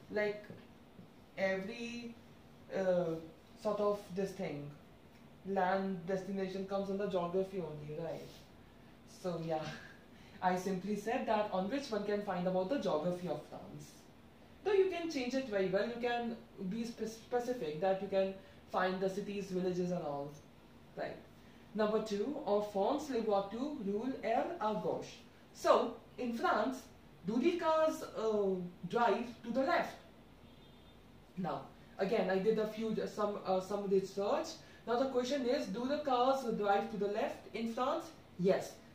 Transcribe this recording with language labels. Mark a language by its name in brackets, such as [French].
[English] Like every sort of this thing, land destination comes under geography only, right? So yeah, I simply said that on which one can find about the geography of France. Though you can change it very well, you can be specific that you can find the cities, villages and all, right? [French] Number two, en France, les voitures roulent elles à gauche. [English] So, in France, do the cars drive to the left? Now, again, I did a few, some research. Now the question is, do the cars drive to the left in France? Yes.